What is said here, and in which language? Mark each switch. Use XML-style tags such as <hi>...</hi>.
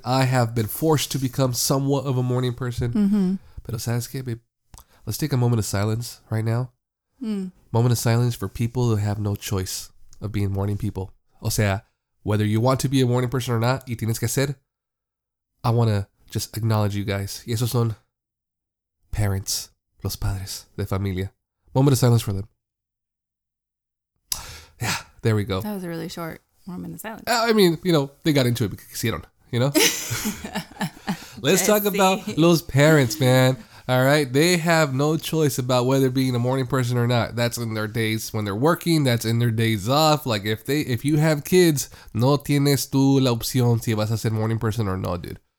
<en>I have been forced to become somewhat of a morning person. Mm-hmm.</en> <es>Pero, ¿sabes qué,</es> <en>babe? Let's take a moment of silence right now. Mm. Moment of silence for people who have no choice of being morning people.</en> <es>O sea,</es> <en>whether you want to be a morning person or not,</en> <es>y tienes que hacer,</es> <en>I want to just acknowledge you guys.</en> <es>Y esos son parents, los padres de familia.</es> <en>Moment of silence for them. Yeah, there we go. That was a really short moment of silence. I mean, you know, they got into it because you know? Let's talk about los parents, man. All right. They have no choice about whether being a morning person or not. That's in their days when they're working. That's in their days off. Like, if you have kids,</en> <es>no tienes tú la opción si vas a ser</es> <en>morning person or no, dude.</en>